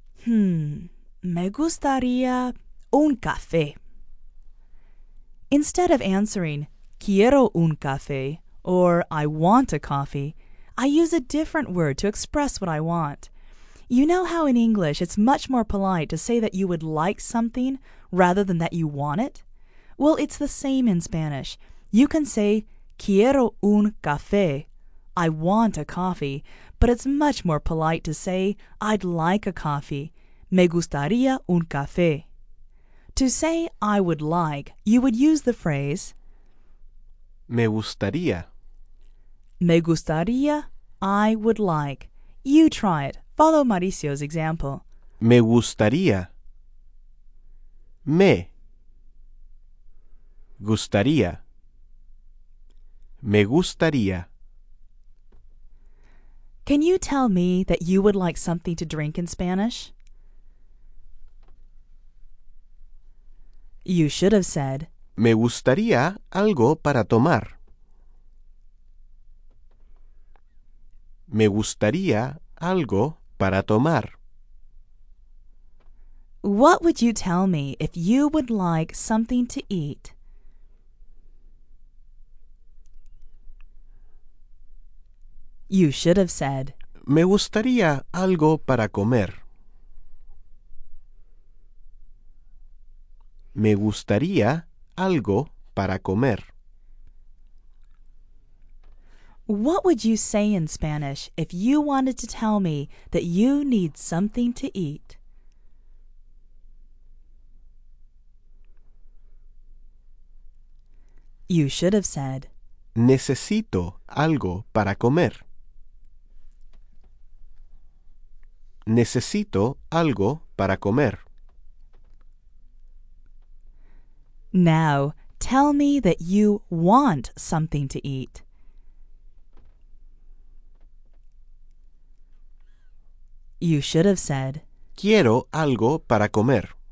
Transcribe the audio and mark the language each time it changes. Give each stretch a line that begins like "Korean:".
Spanish: Me gustaría un café.
English: Instead of answering,
Spanish: quiero un café,
English: or I want a coffee, I use a different word to express what I want. You know how in English it's much more polite to say that you would like something rather than that you want it? Well, it's the same in Spanish. You can say,
Spanish: quiero un café,
English: I want a coffee, but it's much more polite to say, I'd like a coffee,
Spanish: me gustaría un café.
English: To say, I would like, you would use the phrase,
Spanish: me gustaría. Me gustaría,
English: I would like. You try it. Follow Mauricio's example.
Spanish: Me gustaría. Me gustaría. Me gustaría.
English: Can you tell me that you would like something to drink in Spanish? You should have said,
Spanish: me gustaría algo para tomar. Me gustaría algo para tomar.
English: What would you tell me if you would like something to eat? You should have said,
Spanish: me gustaría algo para comer. Me gustaría algo para comer.
English: What would you say in Spanish if you wanted to tell me that you need something to eat? You should have said,
Spanish: necesito algo para comer. Necesito algo para comer.
English: Now, tell me that you want something to eat. You should have said,
Spanish: quiero algo para comer.